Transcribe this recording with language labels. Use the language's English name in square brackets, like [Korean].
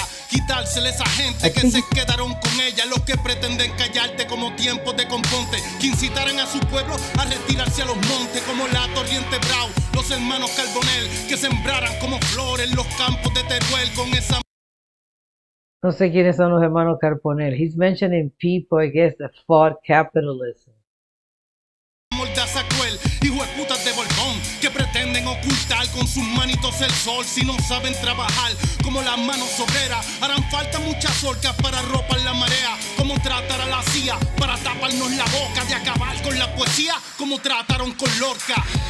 [Spanish] Quitársele esa gente que se quedaron con ella, los que pretenden callarte como tiempos de componte, que incitaran a su pueblo a retirarse a los montes, como la Torriente Brau, los hermanos Carbonell, que sembraran como flores los campos de Teruel con esa. No sé quiénes son los hermanos Carbonell. [English] He's mentioning people, I guess, that fought capitalism. [Spanish] Mordaza cruel, hijo de putas de Borbón, que pretenden ocultar con sus manitos el sol. Si no saben trabajar como las manos obreras, harán falta muchas orcas para ropar la marea. Como tratar a la CIA para taparnos la boca, de acabar con la poesía como trataron con Lorca.